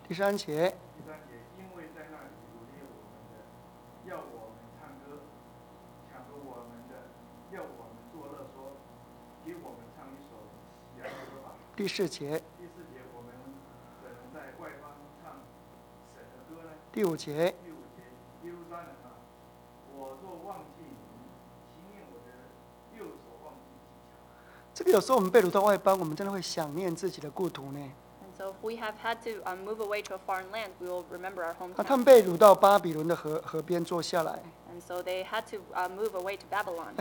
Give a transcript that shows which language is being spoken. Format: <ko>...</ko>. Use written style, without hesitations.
<zh>第3节 第4节。第5节。第5节。耶路撒冷啊，我若忘记你，情念我的右手忘记你。这个有时候我们被掳到外邦，我们真的会想念自己的故土呢。And</zh> <en>so if we have had to move away to a foreign land, we will remember our hometown.</en> <zh>他们被掳到巴比伦的河边坐下来。</zh> <en>And so they had to move away to Babylon.</en>